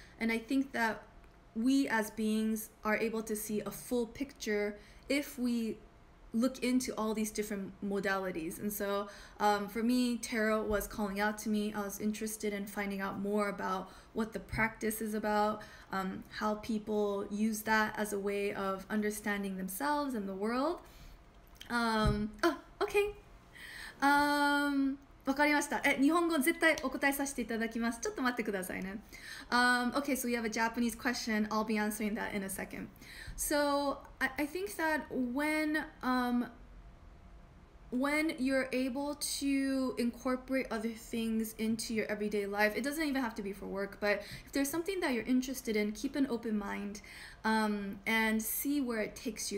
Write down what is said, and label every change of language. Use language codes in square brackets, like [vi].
[en] And I think that we as beings are able to see a full picture if we look into all these different modalities. And so for me, tarot was calling out to me. I was interested in finding out more about what the practice is about, how people use that as a way of understanding themselves and the world. [ja] わかりました. 日本語絶対お答えさせていただきます.ちょっと待ってくださいね. [en] Okay, so we have a Japanese question. I'll be answering that in a second. So I think that when you're able to incorporate other things into your everyday life, it doesn't even have to be for work, but if there's something that you're interested in, keep an open mind and see where it takes you.